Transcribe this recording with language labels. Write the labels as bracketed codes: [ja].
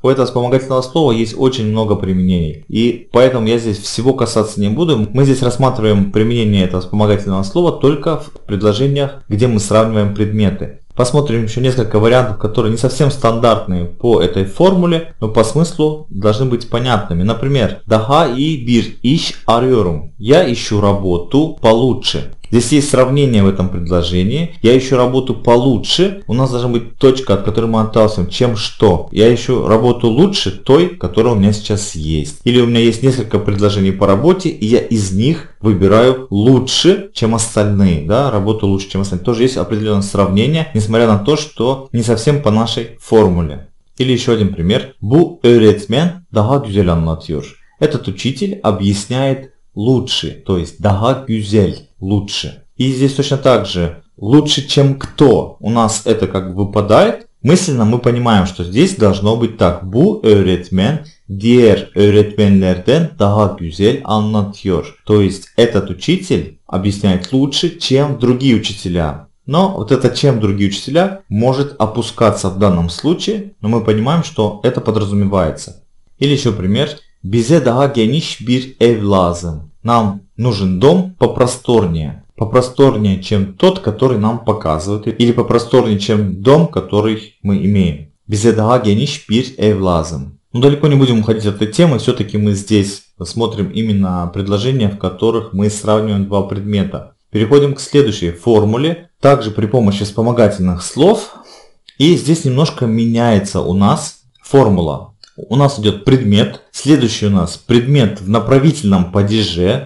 [ru] У этого вспомогательного слова есть очень много применений. И поэтому я здесь всего касаться не буду. Мы здесь рассматриваем применение этого вспомогательного слова только в предложениях, где мы сравниваем предметы. Посмотрим еще несколько вариантов, которые не совсем стандартные по этой формуле, но по смыслу должны быть понятными. Например, [tr] daha iyi bir iş arıyorum. [ru] Я ищу работу получше. Здесь есть сравнение в этом предложении. Я ищу работу получше. У нас должна быть точка, от которой мы отталкиваем. Чем что? Я ищу работу лучше той, которая у меня сейчас есть. Или у меня есть несколько предложений по работе, и я из них выбираю лучше, чем остальные. Да? Работу лучше, чем остальные. Тоже есть определенное сравнение, несмотря на то, что не совсем по нашей формуле. Или еще один пример. [tr] Bu öğretmen daha güzel anlatıyor. [ru] Этот учитель объясняет лучше, то есть [tr] daha güzel, [ru] лучше. И здесь точно так же, лучше чем кто, у нас это как бы выпадает. Мысленно мы понимаем, что здесь должно быть так. [tr] Bu öğretmen diğer öğretmenlerden daha güzel anlatıyor. [ru] То есть этот учитель объясняет лучше, чем другие учителя. Но вот это чем другие учителя может опускаться в данном случае, но мы понимаем, что это подразумевается. Или еще пример. [tr] Bize daha geniş bir ev lazım. [ru] Нам нужен дом попросторнее. Попросторнее, чем тот, который нам показывают. Или попросторнее, чем дом, который мы имеем. [tr] Bize daha geniş bir ev lazım. [ru] Но далеко не будем уходить от этой темы. Все-таки мы здесь посмотрим именно предложения, в которых мы сравниваем два предмета. Переходим к следующей формуле. Также при помощи вспомогательных слов. И здесь немножко меняется у нас формула. У нас идет предмет. Следующий у нас предмет в направительном падеже.